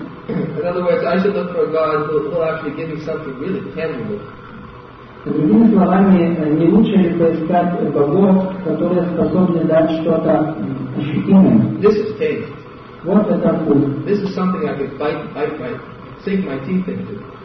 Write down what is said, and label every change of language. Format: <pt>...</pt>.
<en>In other words, I should look for a God who will actually give me something really tangible.</en> <ru>Другими словами, не лучше ли поискать богов, которые способны дать что-то ощутимое?</ru> <en>This is taste.</en> <ru>Вот это вкус.</ru> <en>This is something I can bite, sink my teeth into.</en>